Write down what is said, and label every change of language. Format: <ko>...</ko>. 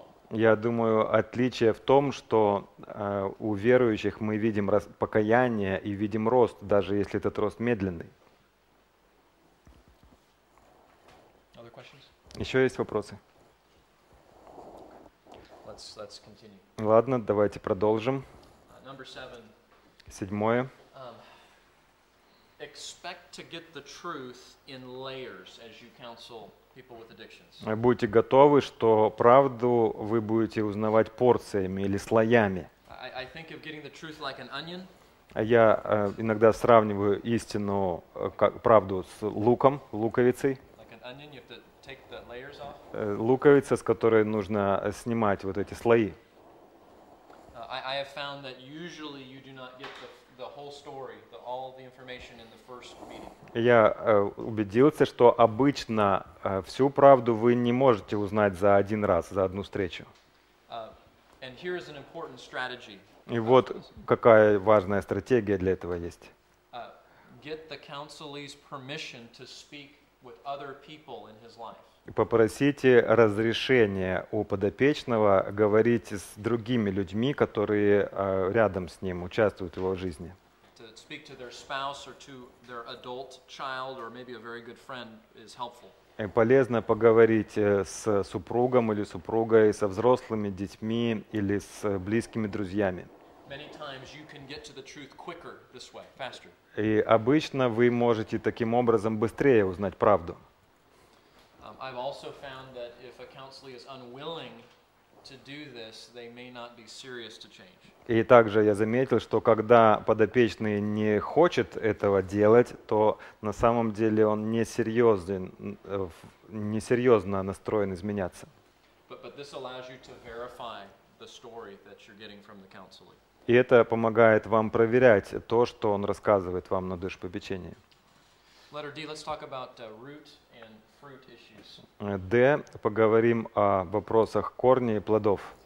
<ru>Я думаю, отличие в том, что у верующих мы видим покаяние и видим рост, даже если этот рост медленный. Еще есть вопросы?</ru> <en>Let's continue.</en> <ru>Ладно, давайте продолжим. Седьмое.</ru> <en>Expect to get the truth in layers as you counsel people with addictions.</en> <ru>Будьте готовы, что правду вы будете узнавать порциями или слоями.</ru> <en>I think of getting the truth like an onion.</en> <ru>Я иногда сравниваю истину, как правду, с луком, луковицей.</ru> <en>Like an onion, you have to take the layers off.</en> <ru>Луковица, с которой нужно снимать вот эти слои.</ru> <en>I have found that usually you do not get the whole story, all the information in the first meeting.</en> <ru>Я убедился, что обычно всю правду вы не можете узнать за один раз, за одну встречу.</ru> <en>And here is an important strategy.</en> <ru>И вот какая важная стратегия для этого есть.</ru> <en>Get the counselee's permission to speak with other people in his life.</en> <ru>Попросите разрешения у подопечного говорить с другими людьми, которые рядом с ним участвуют в его жизни.</ru> <en>Speak to their spouse or to their adult child or maybe a very good friend is helpful.</en> <ru>Полезно поговорить с супругом или супругой, со взрослыми детьми или с близкими друзьями.</ru> <en>Many times you can get to the truth quicker this way, faster.</en> <ru>И обычно вы можете таким образом быстрее узнать правду.</ru> <en>I've also found that if a counselee is unwilling to do this, they may not be serious to change.</en> <ru>И также я заметил, что когда подопечный не хочет этого делать, то на самом деле он несерьезно настроен изменяться.</ru> <en>But this allows you to verify the story that you're getting from the counselor.</en> <ru>И это помогает вам проверять то, что он рассказывает вам на душепопечении.</ru> <en>Letter D, let's talk about root and fruit issues.</en> <ru>D, поговорим о вопросах корней и плодов.</ru>